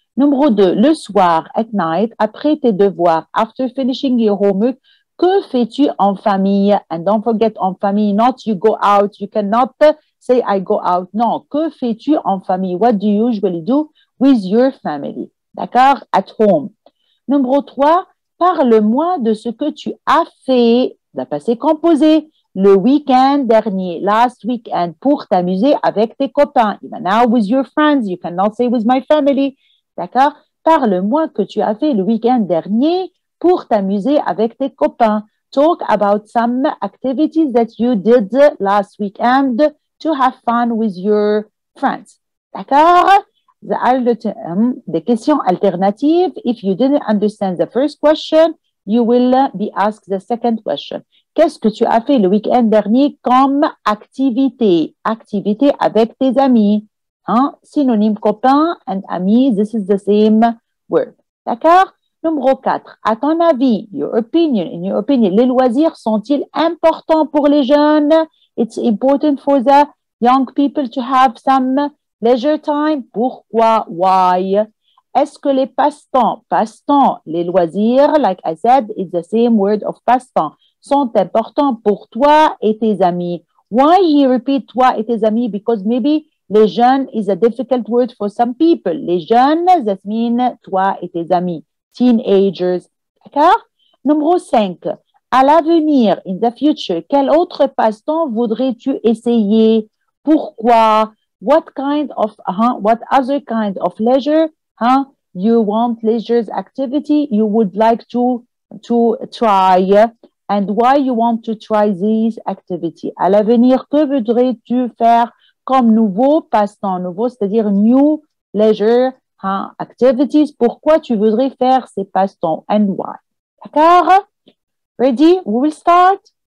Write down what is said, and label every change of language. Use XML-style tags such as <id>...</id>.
<fr>Numéro deux, le soir,</fr> <en>at night,</en> <fr>après tes devoirs,</fr> <en>after finishing your homework,</en> <fr>que fais-tu en famille?</fr> <en>And don't forget en famille, not you go out, you cannot say I go out.</en> <fr>Non, que fais-tu en famille?</fr> <en>What do you usually do with your family? D'accord? At home.</en> <fr>Numéro trois, parle-moi de ce que tu as fait, le passé composé, le week-end dernier,</fr> <en>last weekend,</en> <fr>pour t'amuser avec tes copains.</fr> <en>Even now with your friends, you cannot say with my family.</en> <fr>D'accord? Parle-moi que tu as fait le week-end dernier pour t'amuser avec tes copains.</fr> <en>Talk about some activities that you did last weekend to have fun with your friends. D'accord?</en> <fr>Des questions alternatives.</fr> <en>If you didn't understand the first question, you will be asked the second question.</en> <fr>Qu'est-ce que tu as fait le week-end dernier comme activité? Activité avec tes amis. Hein?</fr> <en>Synonyme copain and amis, this is the same word. D'accord? Numéro 4.</en> <fr>À ton avis,</fr> <en>your opinion, in your opinion,</en> <fr>les loisirs sont-ils importants pour les jeunes?</fr> <en>It's important for the young people to have some leisure time.</en> <fr>Pourquoi? Why? Est-ce que les passe-temps, passe-temps, les loisirs,</fr> <en>like I said, it's the same word of</en> <fr>passe-temps, sont importants pour toi et tes amis?</fr> <en>Why he repeat</en> <fr>toi et tes amis?</fr> <en>Because maybe les jeunes is a difficult word for some people.</en> <fr>Les jeunes,</fr> <en>that means</en> <fr>toi et tes amis. Teenagers. D'accord? Numéro 5. À l'avenir,</fr> <en>in the future,</en> <fr>quel autre passe-temps voudrais-tu essayer? Pourquoi?</fr> <en>What kind of, what other kind of leisure, you want leisure activity you would like to try? And why you want to try these activity?</en> <fr>À l'avenir, que voudrais-tu faire comme nouveau passe-temps? Nouveau, c'est-à-dire</fr> <en>new leisure activities.</en> <fr>Pourquoi tu voudrais faire ces passe-temps?</fr> <en>And why?</en> <fr>D'accord?</fr> <en>Ready? We will start.</en>